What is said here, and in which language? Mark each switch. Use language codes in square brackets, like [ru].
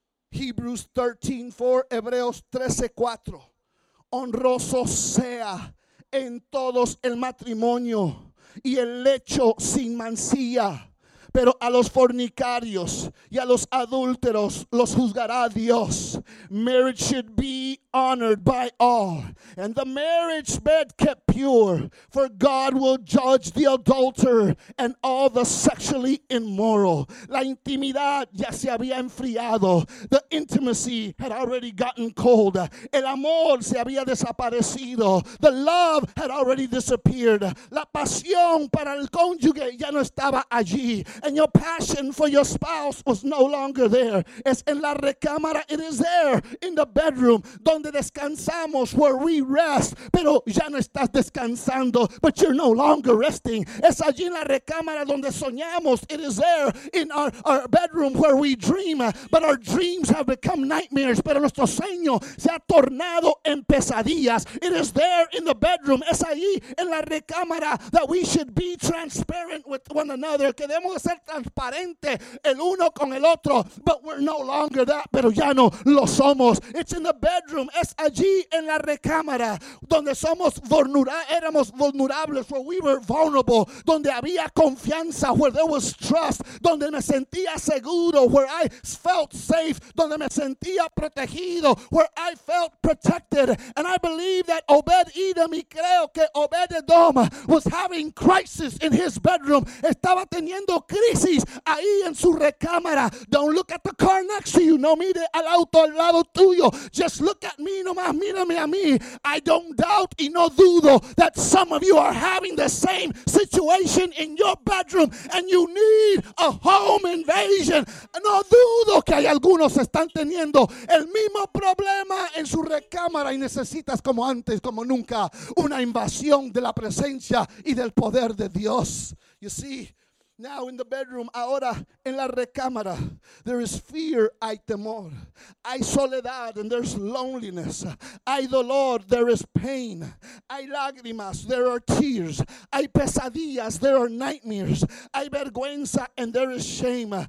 [es] Hebrews 13:4, Hebreos 13:4, honroso sea en todos el matrimonio y el lecho sin mancilla, pero a los fornicarios y a los adúlteros los juzgará Dios. [en] Marriage should be honored by all, and the marriage bed kept pure, for God will judge the adulterer and all the sexually immoral. [es] La intimidad ya se había enfriado. [en] The intimacy had already gotten cold. [es] El amor se había desaparecido. [en] The love had already disappeared. [es] La pasión para el cónyuge ya no estaba allí. [en] And your passion for your spouse was no longer there. [es] Es en la recámara. [en] It is there in the bedroom, [es] donde descansamos, [en] where we rest. [es] Pero ya no estás descansando, [en] but you're no longer resting. Es allí en la recámara donde soñamos. It is there in our bedroom where we dream, but our dreams have become nightmares. [es] Pero nuestro sueño se ha tornado en pesadillas. [en] It is there in the bedroom. [es] Es allí en la recámara [en] that we should be transparent with one another. [es] Que debemos ser ser transparente el uno con el otro. [en] But we're no longer that, [es] pero ya no lo somos. [en] It's in the bedroom, [es] es allí en la recámara, donde somos éramos vulnerables, [en] where we were vulnerable, [es] donde había confianza, [en] where there was trust, [es] donde me sentía seguro, [en] where I felt safe, [es] donde me sentía protegido, [en] where I felt protected. And I believe that Obed-Edom, [es] y creo que Obed-Edom, [en] was having crisis in his bedroom. [es] Estaba teniendo crisis ahí en su recámara. [en] Don't look at the car next to you. [es] No mire al auto al lado tuyo. [en] Just look at me, [es] nomás mírame a mí. [en] I don't doubt [es] y no dudo [en] that some of you are having the same situation in your bedroom and you need a home invasion. [es] No dudo que hay algunos están teniendo el mismo problema en su recámara y necesitas como antes, como nunca, una invasión de la presencia y del poder de Dios. [en] You see, now in the bedroom, [es] ahora en la recámara, [en] there is fear, [es] hay temor, hay soledad, [en] and there's loneliness, [es] hay dolor, [en] there is pain, [es] hay lágrimas, [en] there are tears, [es] hay pesadillas, [en] there are nightmares, [es] hay vergüenza, [en] and there is shame.